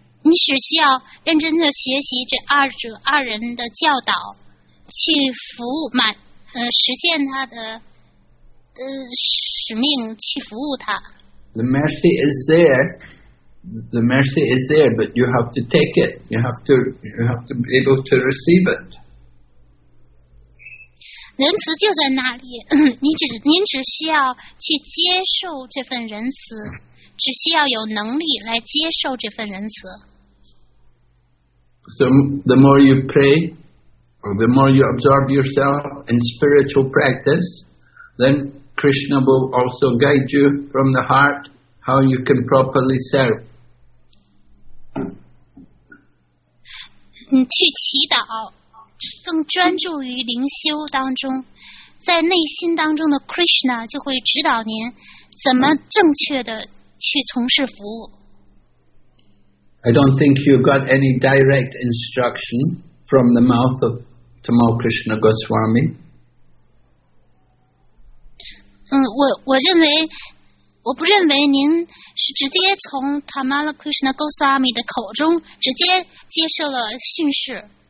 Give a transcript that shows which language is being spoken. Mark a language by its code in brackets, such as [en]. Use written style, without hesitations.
[zh] 你只需要认真的学习这二人的教导，去服务满实现他的使命，去服务他。 [en] The mercy is there. The mercy is there, but you have to take it. You have to be able to receive it. [zh] 仁慈就在那里，您只需要去接受这份仁慈，只需要有能力来接受这份仁慈。 [en] So the more you pray, or the more you absorb yourself in spiritual practice, then. Krishna will also guide you from the heart how you can properly serve. [zh] 你去祈祷，更专注于灵修当中，在内心当中的 Krishna 就会指导您怎么正确的去从事服务。 [en] I don't think you got any direct instruction from the mouth of Tamal Krishna Goswami. [zh] 我认为，我不认为您是直接从 Tamal Krishna Goswami 的口中直接接受了训示。